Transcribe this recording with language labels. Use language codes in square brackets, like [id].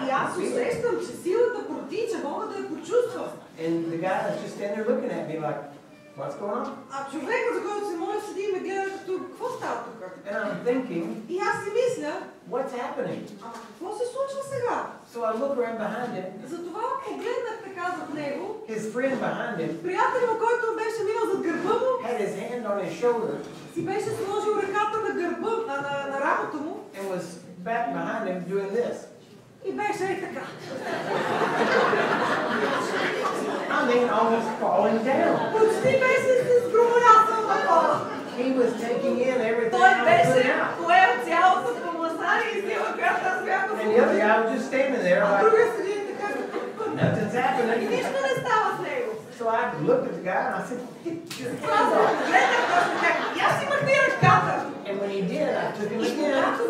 [bg] И аз усещам, че силата протича, мога да я почувствам. [en] And the guy is just standing there looking at me like, what's going on? [bg] А човекът, за който се моля, седи и ме гледа като, какво става тук? [en] And I'm thinking, [bg] и аз си мисля, [en] what's happening? [bg] Какво се случва сега? [en] So I look around behind him. [bg] Затова погледнах така зад него. [en] His friend behind him. [bg] Приятелят му, който беше минал зад гърба му. [en] Had his hand on his shoulder. [bg] Си беше сложил ръката на гърба, на рамото му. [en] And was back behind him doing this. [bg] И беше и така. [en] I mean, almost falling down. [bg] Почти беше се сгромолясал на пола. [en] He was taking in everything. [bg] Той беше поел цялото помазание и сила, която аз бях получил. [en] And the other guy was just standing there like, [bg] другия седи така. [en] Nothing's happening. [bg] И нищо не става с него. [en] So I looked at the guy and I said, get your hands off. And when he did, I took him again.